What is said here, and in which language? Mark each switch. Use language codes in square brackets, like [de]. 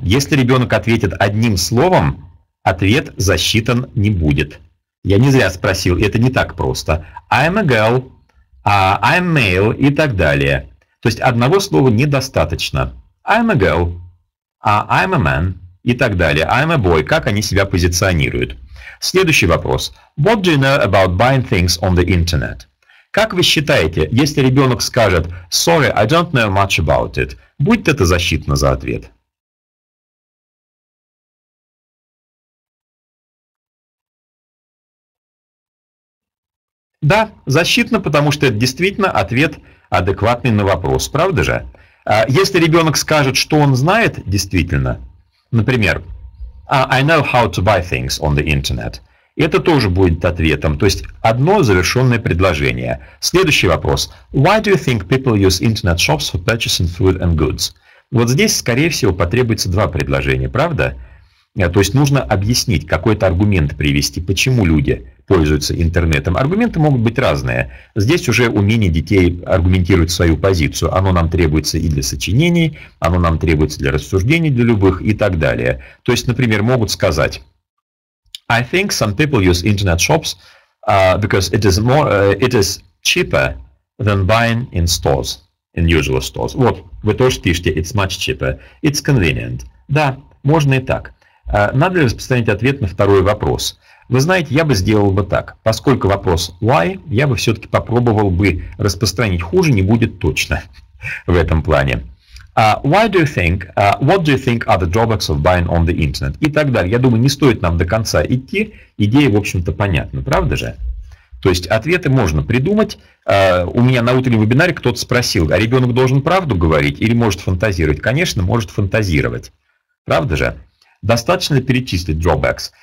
[ru] Если ребенок ответит одним словом, ответ засчитан не будет. Я не зря спросил, это не так просто. [en] I'm a girl, I'm male [ru] и так далее. То есть одного слова недостаточно. [en] I'm a girl, I'm a man [ru] и так далее. [en] I'm a boy. [ru] Как они себя позиционируют? Следующий вопрос. [en] What do you know about buying things on the internet? [ru] Как вы считаете, если ребенок скажет [en] Sorry, I don't know much about it, [ru] будет это засчитано за ответ? Да, засчитано, потому что это действительно ответ адекватный на вопрос, правда же? Если ребенок скажет, что он знает, действительно, например, [en] I know how to buy things on the internet, [ru] это тоже будет ответом, то есть одно завершенное предложение. Следующий вопрос. [en] Why do you think people use internet shops for purchasing food and goods? [ru] Вот здесь, скорее всего, потребуется два предложения, правда? То есть нужно объяснить, какой-то аргумент привести, почему люди пользуются интернетом. Аргументы могут быть разные. Здесь уже умение детей аргументировать свою позицию. Оно нам требуется и для сочинений, оно нам требуется для рассуждений, для любых и так далее. То есть, например, могут сказать [en] I think some people use internet shops because it is cheaper than buying in stores, in usual stores. [ru] Вот, вы тоже пишете [en] it's much cheaper, it's convenient. [ru] Да, можно и так. Надо ли распространить ответ на второй вопрос? Вы знаете, я бы сделал бы так. Поскольку вопрос why, я бы все-таки попробовал бы распространить. Хуже не будет точно в этом плане. [en] Why do you think, what do you think are the drawbacks of buying on the internet? [ru] И так далее. Я думаю, не стоит нам до конца идти. Идея, в общем-то, понятна, правда же? То есть ответы можно придумать. У меня на утреннем вебинаре кто-то спросил, а ребенок должен правду говорить или может фантазировать? Конечно, может фантазировать. Правда же? Достаточно перечислить drawbacks.